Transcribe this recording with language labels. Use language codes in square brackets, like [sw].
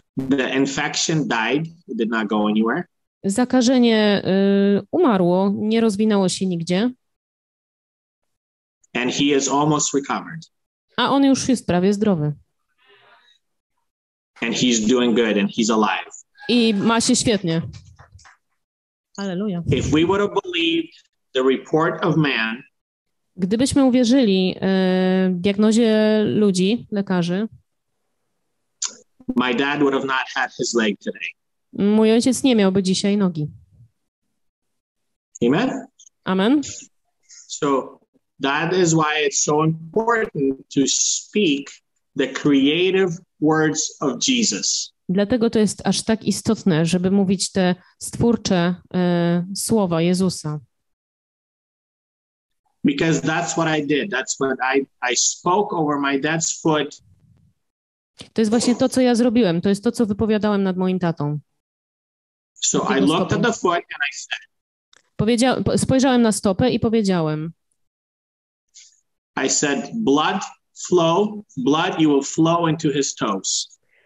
[en] The infection died, did not go anywhere. [pl] Zakażenie umarło, nie rozwinęło się nigdzie. [en] And he is almost recovered. [pl] A on już jest prawie zdrowy. [en] And he's doing good and he's alive. [pl] I ma się świetnie. Aleluja. [en] If we would have believed the report of man, [pl] gdybyśmy uwierzyli diagnozie ludzi, lekarzy, [en] my dad would have not had his leg today. [pl] Mój ojciec nie miałby dzisiaj nogi. [en] Amen. [pl] Amen. [en] So that is why it's so important to speak the creative words of Jesus. [pl] Dlatego to jest aż tak istotne, żeby mówić te stwórcze słowa Jezusa. [en] Because that's what I did. That's what I spoke over my dad's foot. [pl] To jest właśnie to, co ja zrobiłem. To jest to, co wypowiadałem nad moim tatą. [en] So I looked at the foot and I said. [pl] Spojrzałem na stopę i powiedziałem. [en] I said, blood flow, blood you will flow into his toes.